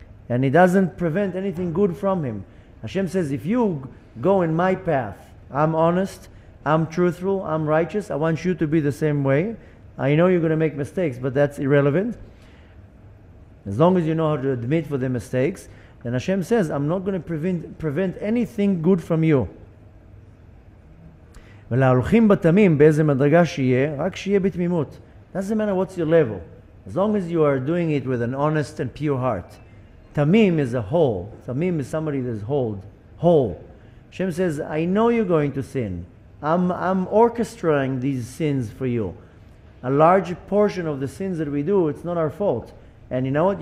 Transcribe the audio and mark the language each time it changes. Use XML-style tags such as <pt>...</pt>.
<en>And he doesn't prevent anything good from him. Hashem says, if you go in my path, I'm honest, I'm truthful, I'm righteous, I want you to be the same way. I know you're going to make mistakes, but that's irrelevant. As long as you know how to admit for the mistakes, then Hashem says, I'm not going to prevent anything good from you.</en> <he>ולהלוכים בתמים באיזה מדרגה שיהיה, רק שיהיה בתמימות.</he> <en>Doesn't matter what's your level. As long as you are doing it with an honest and pure heart. Tamim is a whole. Tamim is somebody that is whole. Hashem says, I know you're going to sin. I'm orchestrating these sins for you. A large portion of the sins that we do, it's not our fault. And you know what?</en>